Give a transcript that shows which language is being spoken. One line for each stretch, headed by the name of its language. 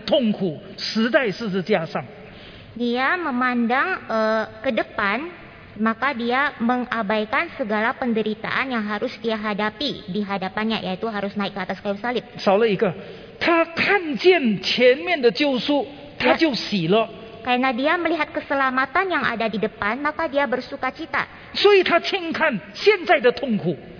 Chinese: 丰盛的地步，对，丰盛的地步。他用喜乐看前面的救赎，看前面的十字架，他就轻看现在他要承担的痛苦，死在十字架上。
Indonesian: Dia memandang ke depan, maka dia mengabaikan segala penderitaan yang harus dia hadapi di hadapannya, yaitu harus naik ke atas kayu salib.
Chinese: 少了一个。他看见前面的救赎，他就喜乐。
Indonesian: Karena dia melihat keselamatan yang ada di depan, maka dia bersukacita.
Chinese: 所以他轻看现在的痛苦。